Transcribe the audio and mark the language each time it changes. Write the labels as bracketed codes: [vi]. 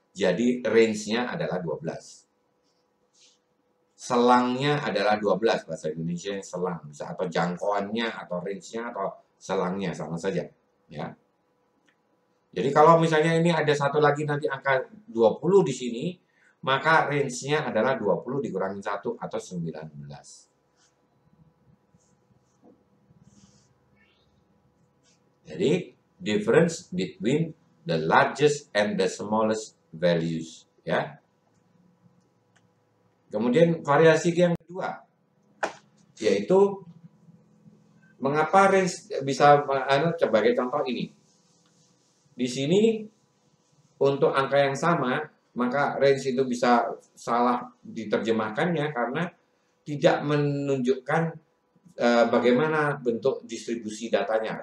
[id] Jadi range-nya adalah 12. Selangnya adalah 12, bahasa Indonesia yang selang, atau jangkauannya, atau range-nya, atau selangnya, sama saja. Ya. Jadi kalau misalnya ini ada satu lagi nanti angka 20 di sini, maka range-nya adalah 20 dikurangin 1, atau 19. [en] Jadi, difference between the largest and the smallest values. [id] Ya. Kemudian variasi yang kedua, yaitu mengapa range bisa sebagai contoh ini. Di sini untuk angka yang sama, maka range itu bisa salah diterjemahkannya karena tidak menunjukkan bagaimana bentuk distribusi datanya.